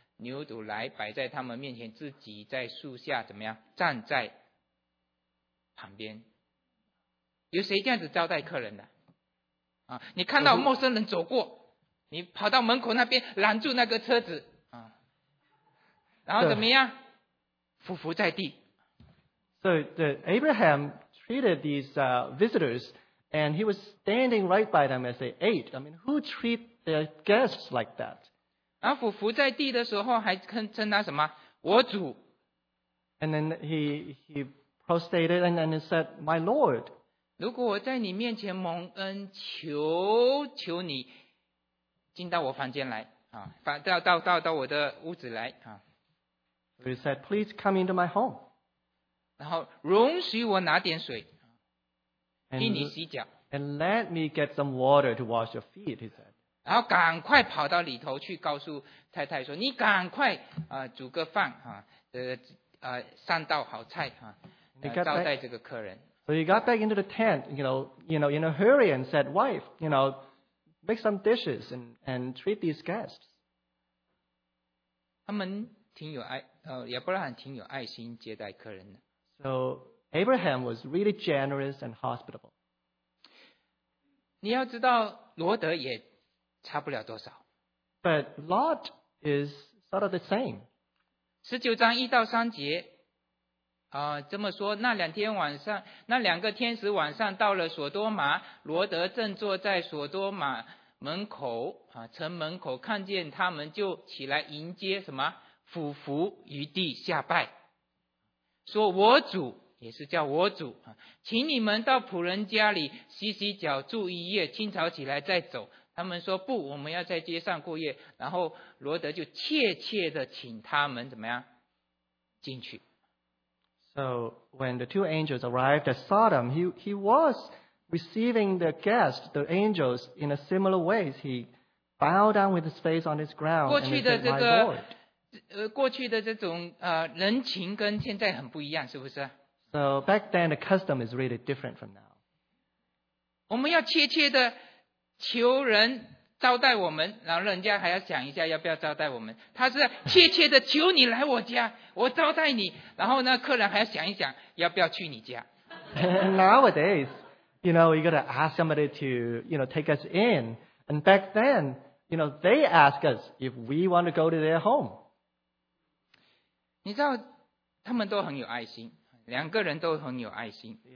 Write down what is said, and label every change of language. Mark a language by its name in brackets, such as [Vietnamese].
[Chinese] 牛犊来摆在他们面前，自己在树下怎么样站在旁边。有谁这样子招待客人的啊？你看到陌生人走过，你跑到门口那边拦住那个车子啊，然后怎么样匍匐在地。 [English] So the Abraham treated these visitors, and he was standing right by them as they ate. I mean, who treat their guests like that? [Chinese] 然后匍匐在地的时候，还称他什么？我主。 [English] And then he prostrated and then said, "My Lord." [Chinese] 如果我在你面前蒙恩，求你进到我房间来啊，到我的屋子来啊。 [English] He said, "Please come into my home." [Chinese] 然后容许我拿点水，替你洗脚。 [English] And let me get some water to wash your feet," he said. [Chinese] 然后赶快跑到里头去告诉太太说：“你赶快煮个饭啊，上道好菜啊，招待这个客人。 [English] ”So he got back into the tent, you know, in a hurry, and said, "Wife, you know, make some dishes and treat these guests." [Chinese] 他们挺有爱。亚伯拉罕挺有爱心接待客人的。 [English] So Abraham was really generous and hospitable. [Chinese] 你要知道，罗德也差不了多少。 [English] But Lot is sort of the same. [Chinese] 十九章一到三节，这么说，那两个天使晚上到了所多玛，罗德正坐在所多玛门口城门口，看见他们就起来迎接什么？俯伏于地下拜，说：“我主，也是叫我主，请你们到仆人家里洗洗脚，住一夜，清早起来再走。” 他们说：“不，我们要在街上过夜。” 然后罗德就切切的请他们怎么样进去。 [English] So when the two angels arrived at Sodom, he was receiving the guests, the angels, in a similar way. He bowed down with his face on his ground and said, "My Lord." [Chinese] 过去的这种人情跟现在很不一样，是不是？ [English] So back then the custom is really different from now. [Chinese] 我们要切切的求人招待我们，然后人家还要想一下要不要招待我们。他是切切的求你来我家，我招待你，然后呢，客人还要想一想要不要去你家。 [English] Nowadays, you know, you got to ask somebody to, you know, take us in. And back then, you know, they ask us if we want to go to their home. [Chinese] 你知道他们都很有爱心，两个人都很有爱心。